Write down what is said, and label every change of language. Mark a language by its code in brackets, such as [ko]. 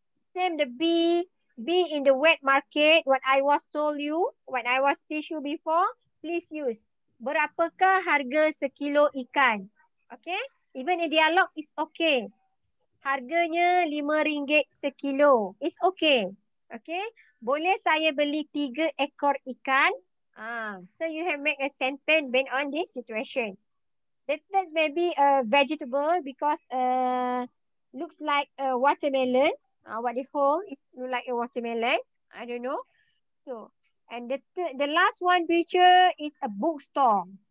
[en] Same the B in the wet market, what I was told you, what I was teach you before, please use. [ms] Berapakah harga sekilo ikan? [en] Okay, even a dialogue is okay. [ms] Harganya RM5 sekilo, [en] it's okay. [ms] Okay, boleh saya beli 3 ekor ikan? [en] So you have make a sentence based on this situation. That's maybe a vegetable because looks like a watermelon. What they call is look like a watermelon. I don't know. So, and the last one picture is a bookstore.